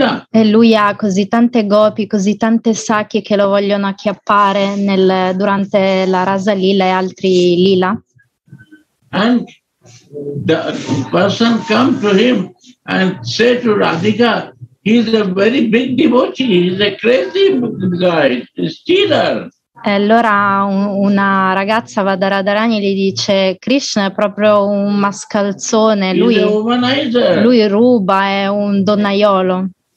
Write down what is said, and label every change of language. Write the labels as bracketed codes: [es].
[it] E lui ha così tante gopi, così tante sakhi che lo vogliono acchiappare durante la Rasa Lila e altri lila. [en] And the person come to him and say to Radhika, he's a very big devotee, he's a crazy guy, stealer. [it] E allora una ragazza va da Radharani e gli dice: Krishna è proprio un mascalzone, lui ruba, è un donnaiolo.